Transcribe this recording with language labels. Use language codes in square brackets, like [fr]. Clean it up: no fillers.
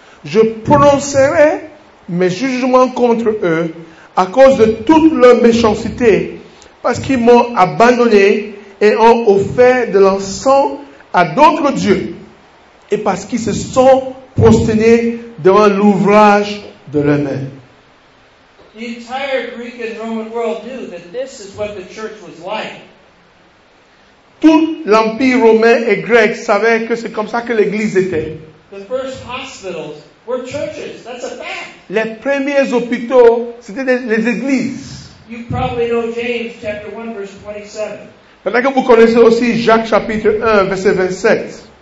[fr] Je prononcerai mes jugements contre eux à cause de toute leur méchanceté, parce qu'ils m'ont abandonné et ont offert de l'encens à d'autres dieux, et parce qu'ils se sont prosternés devant l'ouvrage de leurs mains. [en] The entire Greek and Roman world knew that this is what the church was like. [fr] Tout l'Empire romain et grec savait que c'est comme ça que l'Église était. [en] The first hospitals were churches. That's a fact. [fr] Les premiers hôpitaux, c'était les églises. [en] You probably know James chapter 1, verse 27. [fr] Peut-être que vous connaissez aussi Jacques chapitre 1, verset 27.